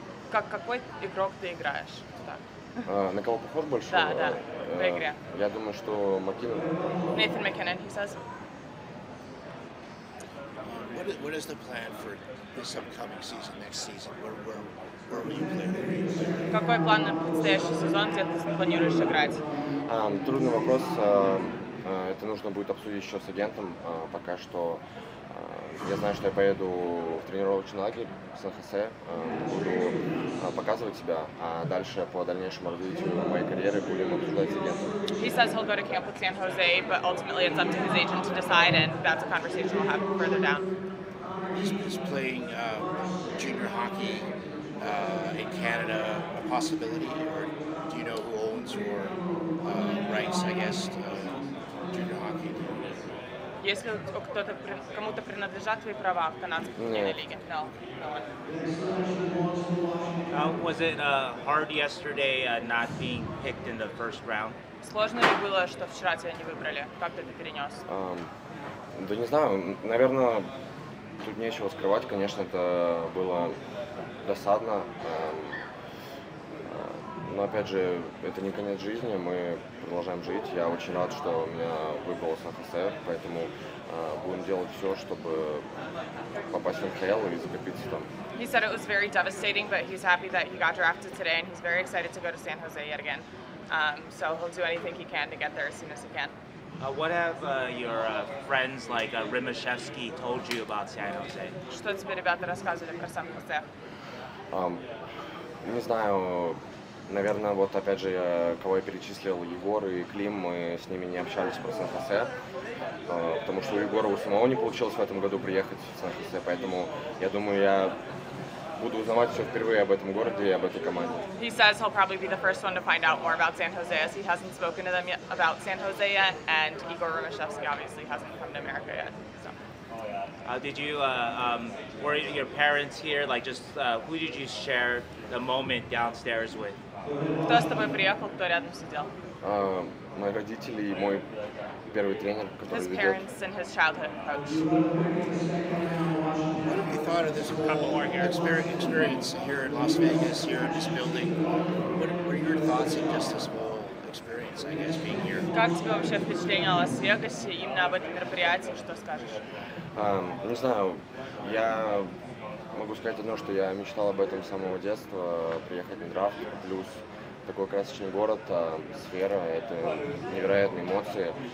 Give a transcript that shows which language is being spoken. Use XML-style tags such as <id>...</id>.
<ru>Какой игрок ты играешь? На кого похож больше? Да, да, в игре. Я думаю, что Маккиннон. Нейтан Маккиннон,</ru> <en>he says. What is the plan for this upcoming season, next season? Where will you play?</en> <ru>Какой план на предстоящий сезон, где ты планируешь играть? Трудный вопрос. Это нужно будет обсудить еще с агентом. Пока что я знаю, что я поеду в тренировочный лагерь в Сан-Хосе, буду показывать себя, а дальше по дальнейшему развитию моей карьеры будем обсуждать с агентом.</ru> <en>He says he'll go to camp with San Jose, but ultimately it's up to his agent to decide, and that's a conversation we'll have further down. Is playing junior hockey in Canada a possibility, or do you know who owns or rights, I guess, to junior hockey?</en> <ru>Если кто-то кому-то принадлежат твои права в канадской хоккейной лиге?</ru> <en>No. Was it hard yesterday not being picked in the first round?</en> <ru>Сложно ли было, что вчера тебя не выбрали? Как ты это перенес? Да не знаю, наверное, тут нечего скрывать. Конечно, это было досадно. Но опять же, это не конец жизни, мы продолжаем жить. Я очень рад, что у меня выбыл Сан-Хосе, поэтому будем делать все, чтобы попасть в НХЛ и закрепиться там.</ru> <en>He said it was very devastating, but he's happy that he got drafted today, and he's very excited to go to San Jose yet again. So he'll do anything he can to get there as soon as he can. What have your friends like Rimashevsky told you about San Jose?</en> <ru>Что тебе ребята рассказывали про Сан-Хосе? Не знаю, наверное, вот опять же, кого я перечислил, Егор и Клим, мы с ними не общались про Сан-Хосе, потому что у Егора у самого не получилось в этом году приехать в Сан-Хосе, поэтому я думаю, я буду узнавать все впервые об этом городе и об этой команде.</ru> <en>He says he'll probably be the first one to find out more about San Jose, as he hasn't spoken to them yet about San Jose yet, and Igor Romashevsky obviously hasn't come to America yet. Did you, were your parents here, like just, who did you share the moment downstairs with?</en> <ru>Кто с тобой приехал, кто рядом сидел? Мои родители и мой первый тренер, который ведет.</ru> <en>His parents and his childhood coach. What have you thought of this whole experience here in Las Vegas, here in this building? What were your thoughts on just this whole experience, I guess, being here?</en> <ru>Как тебе вообще впечатление о Лас-Вегасе, именно об этом мероприятии, что скажешь? Не знаю, я могу сказать одно, что я мечтал об этом с самого детства, приехать на драфт, плюс такой красочный город, сфера, это невероятные эмоции.</ru>